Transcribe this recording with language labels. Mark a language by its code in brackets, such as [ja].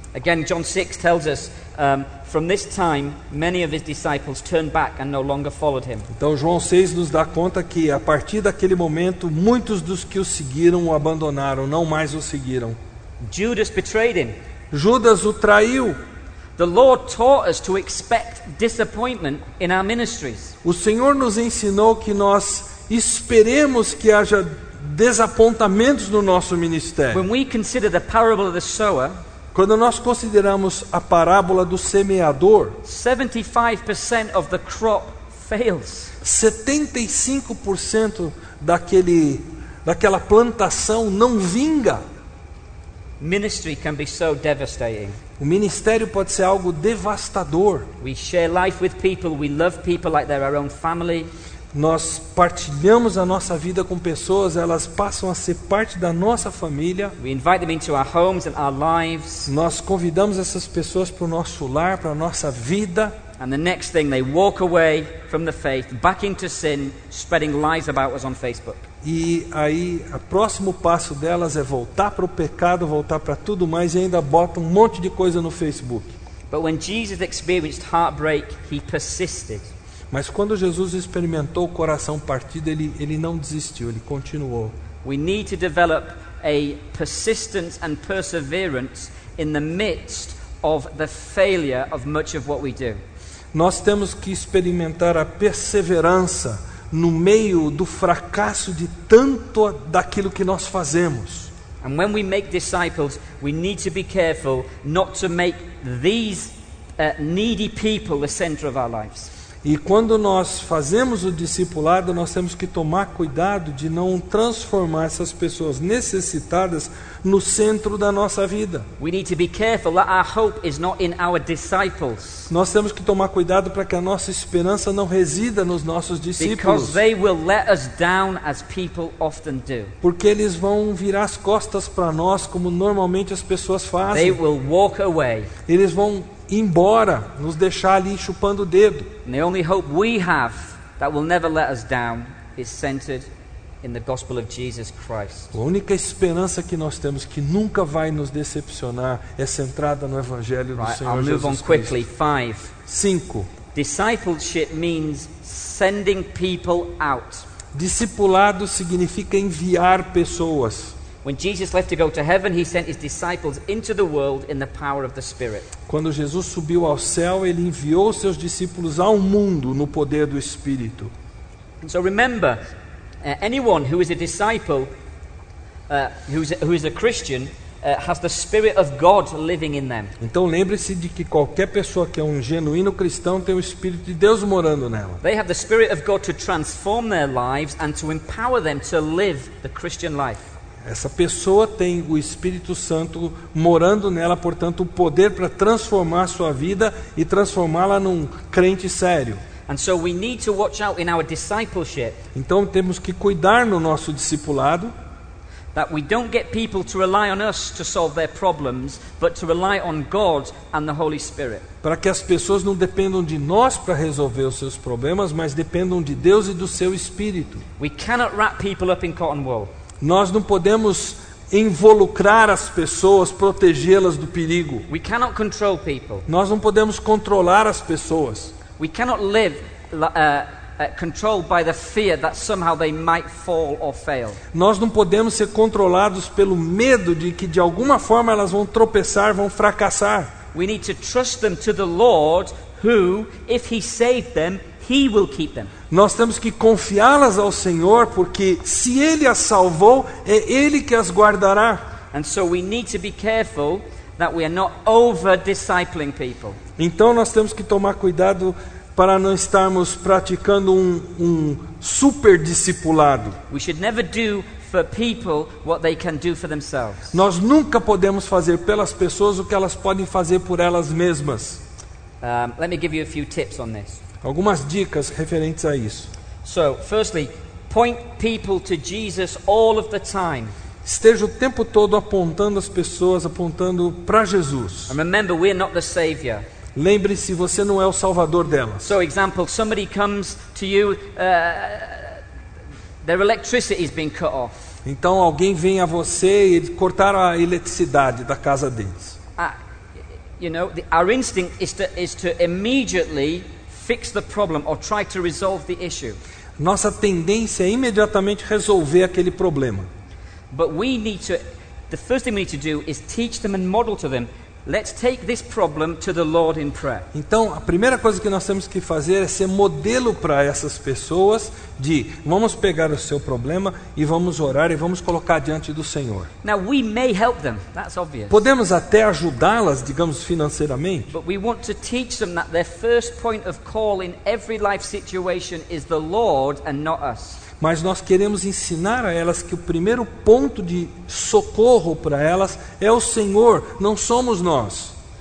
[en] Again, John 6 tells us, from this time, many of his disciples turned back and no longer followed him. [pt] Então João 6 nos dá conta que a partir daquele momento, muitos dos que o seguiram o abandonaram, não mais o seguiram. [en] Judas betrayed him. [pt] Judas o traiu. [en] The Lord taught us to expect disappointment in our ministries. [pt] O Senhor nos ensinou que nós esperemos que haja desapontamentos no nosso ministério. [en] When we consider the parable of the sower, [pt] quando nós consideramos a parábola do semeador, [en] 75% of the crop fails. [pt] 75% daquela plantação não vinga. [en] Ministry can be so devastating. [pt] O ministério pode ser algo devastador. [en] We share life with people, we love people like they're our own family. [pt] Nós partilhamos a nossa vida com pessoas, elas passam a ser parte da nossa família. [en] We invite them into our homes and our lives. [pt] Nós convidamos essas pessoas para o nosso lar, para a nossa vida. [en] And the next thing, they walk away from the faith, back into sin, spreading lies about us on Facebook. [pt] E aí, o próximo passo delas é voltar para o pecado, voltar para tudo mais e ainda bota um monte de coisa no Facebook. [en] But when Jesus experienced heartbreak, he persisted. [pt] Mas quando Jesus experimentou o coração partido, ele não desistiu, ele continuou. [en] We need to develop a persistence and perseverance in the midst of the failure of much of what we do. [pt] Nós temos que experimentar a perseverança no meio do fracasso de tanto daquilo que nós fazemos. [en] And when we make disciples, we need to be careful not to make these needy people the center of our lives. [pt] E quando nós fazemos o discipulado, nós temos que tomar cuidado de não transformar essas pessoas necessitadas no centro da nossa vida. [en] We need to be careful that our hope is not in our disciples. [pt] Nós temos que tomar cuidado para que a nossa esperança não resida nos nossos discípulos. [en] Because they will let us down, as people often do. [pt] Porque eles vão virar as costas para nós, como normalmente as pessoas fazem. [en] They will walk away. [pt] Eles vão embora, nos deixar ali chupando o dedo. [en] The only hope we have that will never let us down is centered in the gospel of Jesus Christ. [pt] A única esperança que nós temos que nunca vai nos decepcionar é centrada no evangelho do Senhor [en] I'll move on [pt] Cristo. [en] Quickly. 5. [pt] 5. [en] Discipleship means sending people out. [pt] Discipulado significa enviar pessoas. [en] When Jesus left to go to heaven, he sent his disciples into the world in the power of the Spirit. [pt] Quando Jesus subiu ao céu, ele enviou seus discípulos ao mundo no poder do Espírito. [en] And so remember, anyone who is a disciple, who is a Christian, has the Spirit of God living in them. [pt] Então lembre-se de que qualquer pessoa que é um genuíno cristão tem o Espírito de Deus morando nela. [en] They have the Spirit of God to transform their lives and to empower them to live the Christian life. [pt] Essa pessoa tem o Espírito Santo morando nela, portanto, o poder para transformar sua vida e transformá-la num crente sério. [en] And so we need to watch out in our discipleship. [pt] Então temos que cuidar no nosso discipulado. [en] That we don't get people to rely on us to solve their problems, but to rely on God and the Holy Spirit. [pt] Para que as pessoas não dependam de nós para resolver os seus problemas, mas dependam de Deus e do seu Espírito. [en] We cannot wrap people up in cotton wool. [pt] Nós não podemos involucrar as pessoas, protegê-las do perigo. [en] We cannot control people. [pt] Nós não podemos controlar as pessoas. [en] We cannot live controlled by the fear that somehow they might fall or fail. [pt] Nós não podemos ser controlados pelo medo de que de alguma forma elas vão tropeçar, vão fracassar. [en] We need to trust them to the Lord, who, if He saved them, He will keep them. [pt] Nós temos que confiá-las ao Senhor, porque se Ele as salvou, é Ele que as guardará. [en] And so we need to be careful that we are not over-discipling people. [pt] Então nós temos que tomar cuidado para não estarmos praticando um super discipulado. [en] We should never do for people what they can do for themselves. [pt] Nós nunca podemos fazer pelas pessoas o que elas podem fazer por elas mesmas. [en] Let me give you a few tips on this. [pt] Algumas dicas referentes a isso. [en] So, firstly, point people to Jesus all of the time. [pt] Esteja o tempo todo apontando as pessoas, apontando para Jesus. [en] And remember, we are not the savior. [pt] Lembre-se, você não é o salvador delas. [en] So, example, somebody comes to you, their electricity is being cut off. [pt] Então alguém vem a você e cortar a eletricidade da casa deles. [en] You know, our instinct is to immediately fix the problem or try to resolve the issue. [pt] Nossa tendência é imediatamente resolver aquele problema. [en] But we need to, the first thing we need to do is teach them and model to them. Let's take this problem to the Lord in prayer. [pt] Então, a primeira coisa que nós temos que fazer é ser modelo para essas pessoas de vamos pegar o seu problema e vamos orar e vamos colocar diante do Senhor. [en] Now we may help them. That's obvious. [pt] Podemos até ajudá-las, digamos, financeiramente. [en] But we want to teach them that their first point of call in every life situation is the Lord and not us. [pt] Mas nós queremos ensinar a elas que o primeiro ponto de socorro para elas é o Senhor, não somos nós.